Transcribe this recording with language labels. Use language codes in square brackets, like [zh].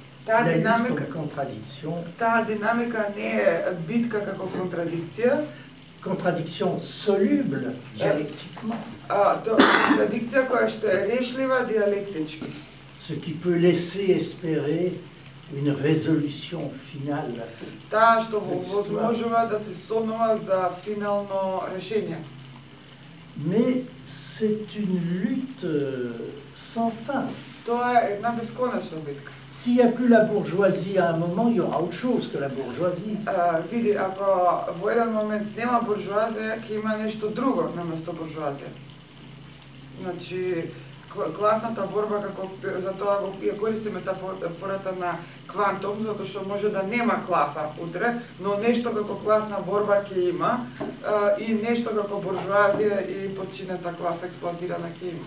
[mk] Таа динамика не е битка како контрадикција. [fr] Contradiction soluble dialectiquement. [mk] Контрадикција која што е решлива диалектички. [fr] Ce qui peut laisser espérer une résolution finale. [mk] Та што возможува да се сонува за финално решение. [fr] Mais c'est une lutte sans fin. [mk] Тоа е една бесконечна битка. [fr] S'il n'y a plus la bourgeoisie à un moment, il y aura autre chose que la bourgeoisie. [mk] Види, ако во еден момент нема буржуазија, ќе има нешто друго на место буржуазија. Значи класната борба како за тоа ја користи метафората на квантум, затоа што може да нема класа утре, но нешто како класна борба ќе има и нешто како буржуазија и подчинета класа експлоатирана ќе има.